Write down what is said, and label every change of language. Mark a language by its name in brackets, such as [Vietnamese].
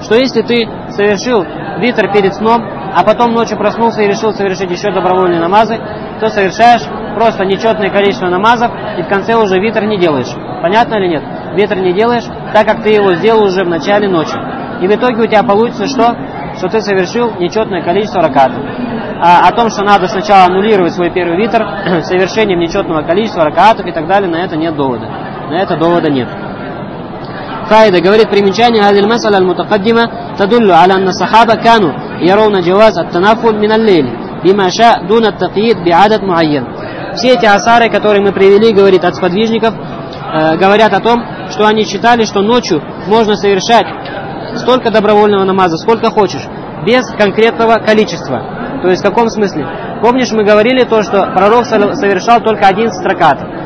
[Russian] Что если ты совершил витр перед сном, а потом ночью проснулся и решил совершить еще добровольные намазы, то совершаешь просто нечетное количество намазов, и в конце уже витр не делаешь. Понятно или нет? Витр не делаешь, так как ты его сделал уже в начале ночи. И в итоге у тебя получится что? Что ты совершил нечетное количество ракатов. А о том, что надо сначала аннулировать свой первый витр совершением нечетного количества ракаатов и так далее, на это нет довода. На это довода нет. Хайда говорит примечание: [Arabic] هذه المساله المتقدمه تدل على ان الصحابه كانوا يرون جواز التنفل من الليل بما شاء دون التقييد بعدد معين. [Russian] Все эти асары, которые мы привели, говорит, от сподвижников, говорят о том, что они считали, что ночью можно совершать столько добровольного намаза, сколько хочешь, без конкретного количества. То есть в каком смысле? Помнишь, мы говорили то, что пророк совершал только 11 ракат.